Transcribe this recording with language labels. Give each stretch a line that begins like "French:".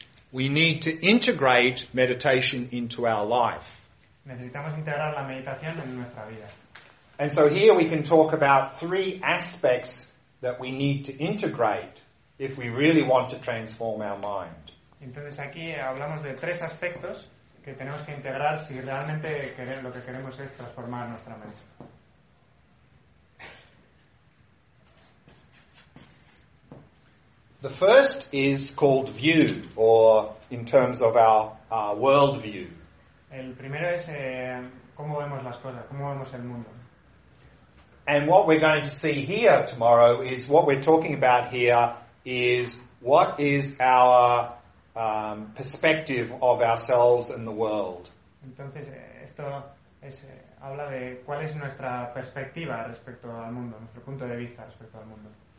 English: We need to integrate meditation into our life.
Spanish: Necesitamos integrar la meditación en nuestra vida.
English: And so here we can talk about three aspects that we need to integrate if we really want to transform our mind.
Spanish: Entonces aquí hablamos de tres aspectos que tenemos que integrar si realmente lo que queremos es transformar nuestra mente.
English: The first is called view, or in terms of our world view.
Spanish: El primero es cómo vemos las cosas, cómo vemos el mundo.
English: And what we're going to see here tomorrow is what we're talking about here is what is our perspective of ourselves and the world.
Spanish: Entonces esto es habla de cuál es nuestra perspectiva respecto al mundo, nuestro punto de vista respecto al mundo.